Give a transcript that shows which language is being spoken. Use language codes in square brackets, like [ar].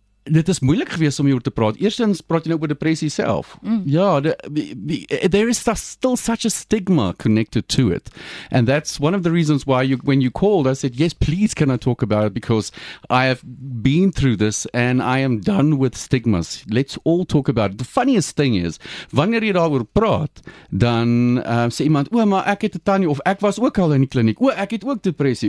[af] Dit is moeilik geweest om hier oor te praat. Eerstens praat jy nou oor depressie self. Mm. [en] Ja, there is still such a stigma connected to it. And that's one of the reasons why when you called, I said, yes, please can I talk about it? Because I have been through this and I am done with stigmas. Let's all talk about it. The funniest thing is, [af] wanneer jy daar oor praat, dan sê iemand, o, maar ek het 'n tannie, of ek was ook al in die kliniek. O, ek het ook depressie.